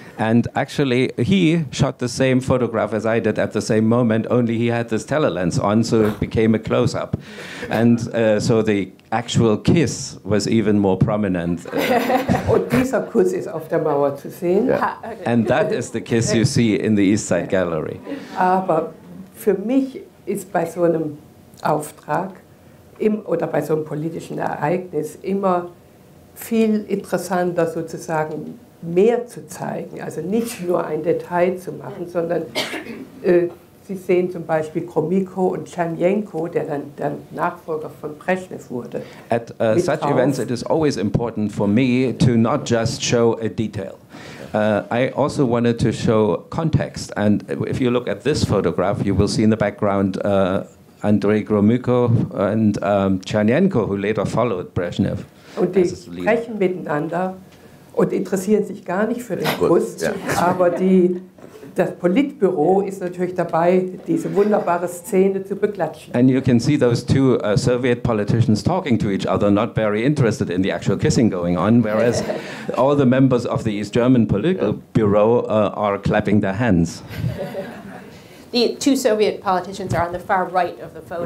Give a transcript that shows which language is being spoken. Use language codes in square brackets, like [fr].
[en] And actually, he shot the same photograph as I did at the same moment, only he had this telelens on, so it became a close-up. And so the actual kiss was even more prominent. [de] Und dieser Kuss ist auf der Mauer zu sehen. [en] Yeah. And that is the kiss you see in the East Side Gallery. [de] Aber für mich ist bei so einem Auftrag oder bei so einem politischen Ereignis immer viel interessanter, sozusagen mehr zu zeigen, also nicht nur ein Detail zu machen, sondern Sie sehen zum Beispiel Gromyko und Chanyenko, der dann der Nachfolger von Brezhnev wurde. [en] At such events, it is always important for me to not just show a detail. I also wanted to show context, and if you look at this photograph, you will see in the background Andrei Gromyko and Chanyenko, who later followed Brezhnev. [de] Und die sprechen miteinander und interessieren sich gar nicht für den Kuss, aber das Politbüro ist natürlich dabei, diese wunderbare Szene zu beklatschen. [en] And you can see those two Soviet politicians talking to each other, not very interested in the actual kissing going on, whereas all the members of the East German political bureau are clapping their hands. The two Soviet politicians are on the far right of the photo.